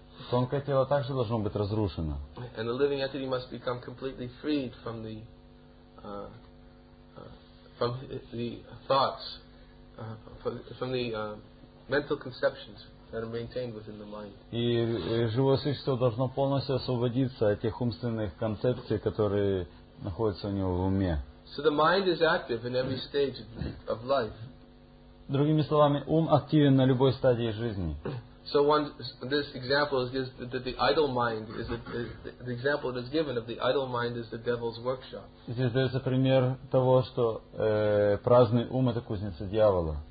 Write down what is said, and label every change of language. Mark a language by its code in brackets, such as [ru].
[ru] Тонкое тело также должно быть разрушено. [en] And the living entity must become completely freed from the thoughts, from the mental conceptions that are maintained within the mind. [ru] И живое существо должно полностью освободиться от тех умственных концепций, которые находятся у него в уме. [en] So the mind is active in every stage of life. [ru] Другими словами, ум активен на любой стадии жизни. [en] So one, this example is that the idle mind is the example that is given of the idle mind is the devil's workshop. [ru] Здесь дается пример того, что праздный ум — это кузница дьявола.